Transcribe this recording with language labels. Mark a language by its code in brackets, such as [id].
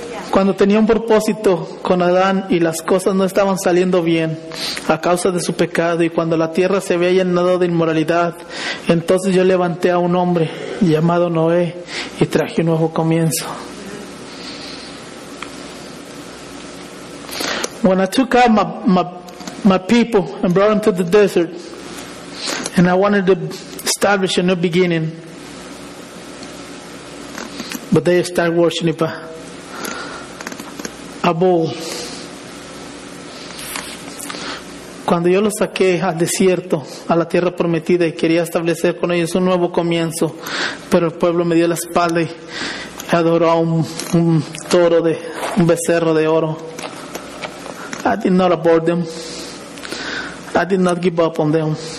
[es] Cuando tenía un propósito con Adán y las cosas no estaban saliendo bien a causa de su pecado y cuando la tierra se había llenado de inmoralidad, entonces yo levanté a un hombre llamado Noé y traje un nuevo comienzo. [en] When I took out my people and brought them to the desert and I wanted to establish a new beginning, but they started worshiping a bull. [es] Cuando yo los saqué al desierto, a la tierra prometida, y quería establecer con ellos un nuevo comienzo, pero el pueblo me dio la espalda y adoró a un toro de un becerro de oro. [en] I did not abort them. I did not give up on them.